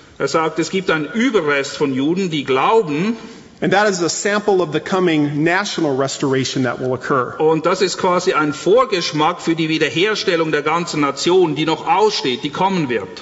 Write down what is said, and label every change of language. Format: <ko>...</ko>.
<de>Er sagt, es gibt einen Überrest von Juden, die glauben.</de> <en>And that is a sample of the coming national restoration that will occur.</en> <de>Und das ist quasi ein Vorgeschmack für die Wiederherstellung der ganzen Nation, die noch aussteht, die kommen wird.</de>